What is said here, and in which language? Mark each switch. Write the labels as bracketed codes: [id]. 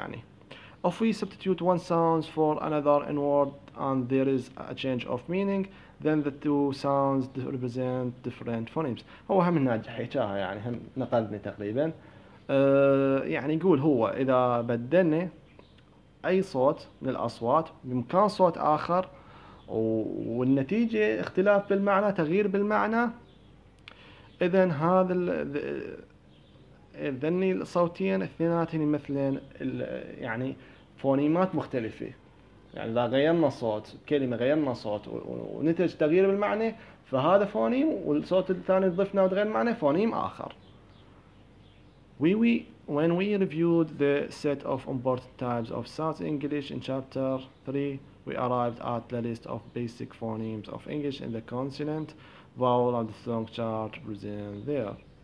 [ar] يعني [en] if we substitute one sound for another in word and there is a change of meaning then the two sounds represent different phonemes. [ar] هو هم ناجح حكاها، يعني هم نقلني تقريبا. يعني يقول هو اذا بدلنا اي صوت من الاصوات بمكان صوت اخر والنتيجة اختلاف بالمعنى تغيير بالمعنى، اذا هذا الذني الصوتين اثنيناتهم مثلين، يعني فونيمات مختلفة. يعني إذا غيرنا صوت كلمة، غيرنا صوت ونتج تغيير بالمعنى فهذا فونيم، والصوت الثاني ضفناه وتغير معنى فونيم آخر. [en] When we reviewed the set of important types of sounds in English in chapter 3, we arrived at the list of basic phonemes of English in the consonant, vowel and diphthong chart present there.